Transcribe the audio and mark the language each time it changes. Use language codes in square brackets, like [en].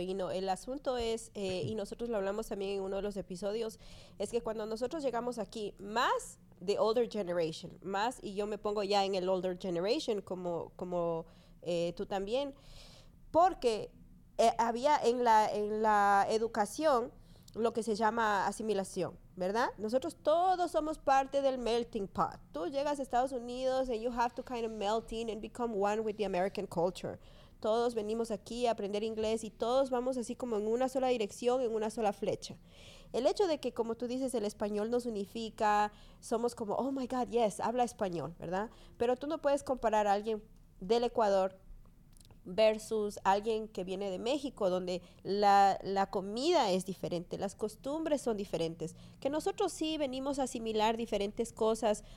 [es] Y no, el asunto es, y nosotros lo hablamos también en uno de los episodios, es que cuando nosotros llegamos aquí, más [en] the older generation, [es] más, y yo me pongo ya en el older generation, como tú también, porque había en la educación lo que se llama asimilación. ¿Verdad? Nosotros todos somos parte del melting pot. Tú llegas a Estados Unidos [en] and you have to kind of melt in and become one with the American culture. [es] Todos venimos aquí a aprender inglés y todos vamos así como en una sola dirección, en una sola flecha. El hecho de que, como tú dices, el español nos unifica, somos como, [en] oh my God, yes, [es] habla español, ¿verdad? Pero tú no puedes comparar a alguien del Ecuador versus alguien que viene de México, donde la comida es diferente, las costumbres son diferentes, que nosotros sí venimos a asimilar diferentes cosas.